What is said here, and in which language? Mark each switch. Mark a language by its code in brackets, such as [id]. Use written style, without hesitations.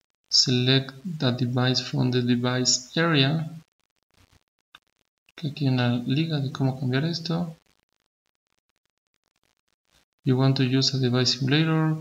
[en] Select the device from the device area. [es] Okay, aquí hay una liga de cómo cambiar esto. [en] You want to use a device simulator.